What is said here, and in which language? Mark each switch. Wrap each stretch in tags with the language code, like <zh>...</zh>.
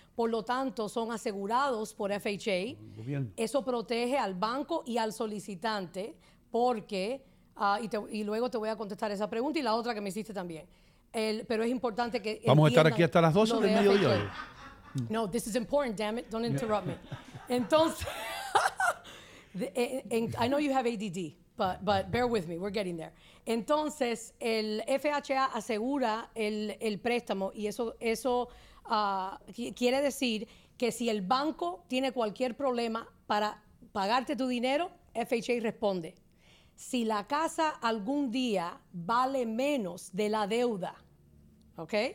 <es>Por lo tanto, son asegurados por FHA. Eso protege al banco y al solicitante porque, y luego te voy a contestar esa pregunta y la otra que me hiciste también. Pero es importante que... Vamos a estar aquí hasta las 12 del mediodía. FHA.</es> <en>No, this is important, damn it. Don't interrupt me.</en> <es>Entonces,</es> <en>I know you have ADD, but bear with me. We're getting there.</en> <es>Entonces, el FHA asegura el préstamo y eso quiere decir que si el banco tiene cualquier problema para pagarte tu dinero, FHA responde. Si la casa algún día vale menos de la deuda, ¿ok?</es>